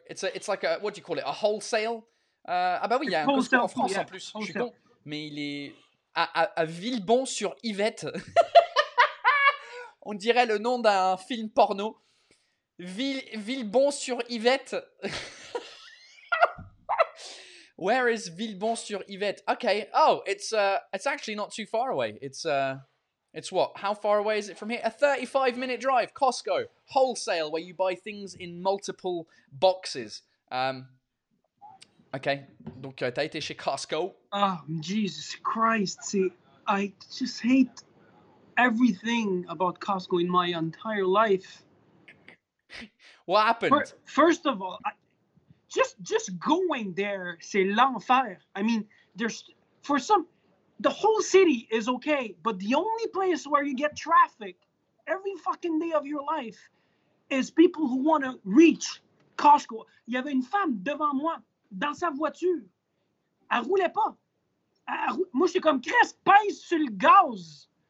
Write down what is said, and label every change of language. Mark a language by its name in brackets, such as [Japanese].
[English] It's like a, what do you call it? A wholesale? [French] Ah bah oui, il y a un Costco en France en plus. Je suis con. Mais il est à Villebon sur Yvette. On dirait le nom d'un film porno. Villebon sur Yvette. [English] Where is Villebon sur Yvette? Okay. Oh, it's actually not too far away. It's what? How far away is it from here? A 35-minute drive. Costco wholesale, where you buy things in multiple boxes. Okay. [French] Donc t'as été chez Costco. [English] Oh, Jesus Christ! See, I just hate everything about Costco in my entire life. What happened? First of all, just going there, [French] c'est l'enfer. [English] I mean, the whole city is okay, but the only place where you get traffic every fucking day of your life is people who want to reach Costco. [French] Il y avait une femme devant moi, dans sa voiture. Elle roulait pas. Moi, j'étais comme, Chris, pèse sur le gaz.